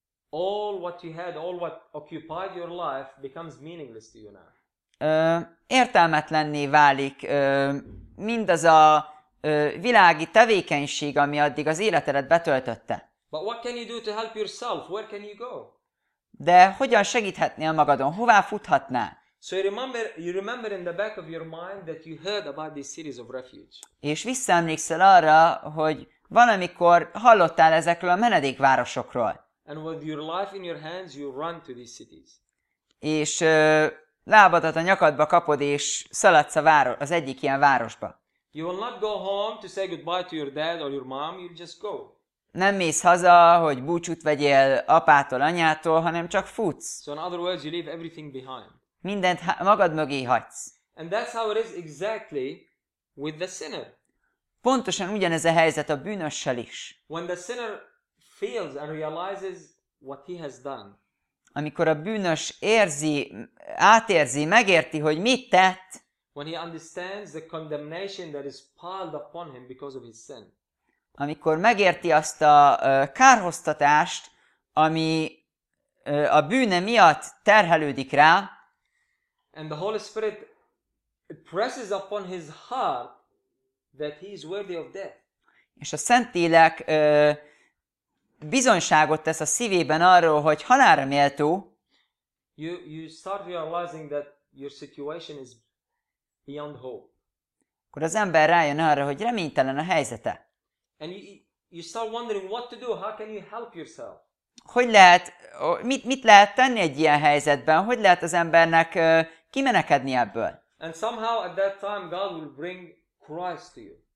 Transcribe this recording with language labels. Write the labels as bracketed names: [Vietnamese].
[English] All what you had, all what occupied your life becomes meaningless to you now. [Hungarian] Értelmetlenné válik mindaz a világi tevékenység, ami addig az életedet betöltötte. [English] But what can you do to help yourself? Where can you go? [Hungarian] De hogyan segíthetnél magadon? Hová futhatnál? [English] So you remember in the back of your mind that you heard about this series of refuge. [Hungarian] És visszaemlékszel arra, hogy valamikor hallottál ezekről a menedékvárosokról. [English] And with your life in your hands, you run to these cities. [Hungarian] És lábadat a nyakadba kapod és szaladsz az egyik ilyen városba. [English] You will not go home to say goodbye to your dad or your mom. You'll just go. [Hungarian] Nem mész haza, hogy búcsút vegyél apától, anyától, hanem csak futsz. [English] So in other words, you leave everything behind. [Hungarian] Mindent magad mögé hagysz. [English] And that's how it is exactly with the sinner. [Hungarian] Pontosan ugyanez a helyzet a bűnössel is. [English] When the sinner feels and realizes what he has done. [Hungarian] Amikor a bűnös érzi, átérzi, megérti, hogy mit tett. [English] When he understands the condemnation that is piled upon him because of his sin. [Hungarian] Amikor megérti azt a kárhoztatást, ami a bűne miatt terhelődik rá. [English] And the Holy Spirit presses upon his heart that he is worthy of death. [Hungarian] És a Szentlélek bizonyságot tesz a szívében arról, hogy halálra méltó. [English] You start realizing that your situation is beyond hope. [Hungarian] Akkor az ember rájön arra, hogy reménytelen a helyzete. [English] And you start wondering what to do, how can you help yourself? [Hungarian] Hogy lehet, mit lehet tenni egy ilyen helyzetben? Hogy lehet az embernek kimenekedni ebből? [English] And somehow at that time God will bring Christ to you.